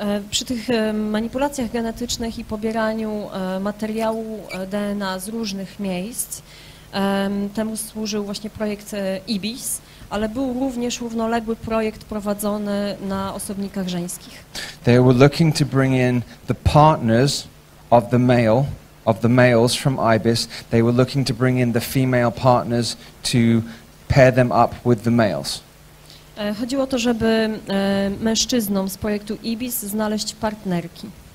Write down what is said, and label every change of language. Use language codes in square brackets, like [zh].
[pl] Przy tych manipulacjach genetycznych i pobieraniu materiału DNA z różnych miejsc, temu służył właśnie projekt IBIS, ale był również równoległy projekt prowadzony na osobnikach żeńskich. [en] They were looking to bring in the partners of the male, of the males from IBIS. They were looking to bring in the female partners to pair them up with the males. [pl] Chodziło o to, żeby mężczyznom z projektu IBIS znaleźć partnerki.